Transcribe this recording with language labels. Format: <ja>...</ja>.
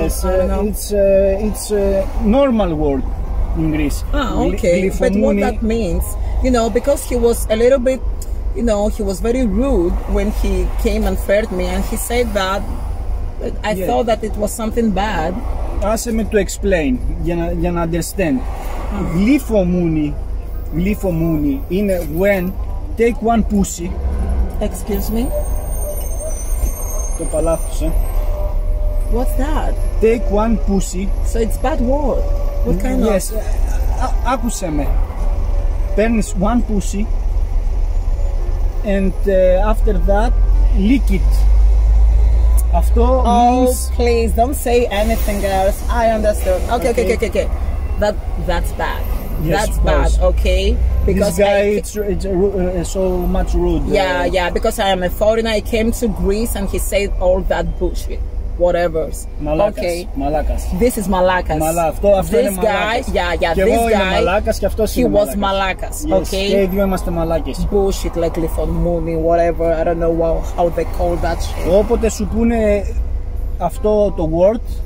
<en>Yes, it's a normal word in Greece. Ah, okay. But what that means? You know, because he was a little bit. You know, he was very rude when he came and fed me, and he said that I thought that it was something bad.</en> <el>Άσε με το</el> <en>explain,</en> <el>για να</el> <en>understand.</en> <el>Γλυφομούνι, γλυφομούνι είναι</el> <en>when take one pussy. Excuse me.</en> <el>Το παλάθος, eh?</el> <en>What's that? Take one pussy. So it's bad word. What kind yes. of? Yes,</en> <el>άκουσε με. Παίρνεις</el> <en>one pussy. And after that, lick it.</en> <el>Αυτό</el> <en>means... Oh, please, don't say anything else. I understood. Okay. That's bad. Yes, that's bad, okay? Because this guy, it's so much rude. Yeah, because I am a foreigner. I came to Greece and he said all that bullshit. Whatever's.</en> <el>Malakas.</el> <en>Okay.</en> <el>Malakas.</el> <en>This is malakas.</en> <el>Αυτό</el> <en>this</en> <el>είναι</el> <en>guy,</en> <el>malakas.</el> <en>Yeah, this guy.</en> <el>Malakas,</el> <en>he</en> <el>malakas.</el> <en>Was malakas. Okay. Yes.</en> <el>Και οι δύο είμαστε μαλάκες.</el> <en>Bullshit, like λιφομούνι, whatever. I don't know how they call that shit.</en> <el>Όποτε σου πούνε αυτό το word,</el>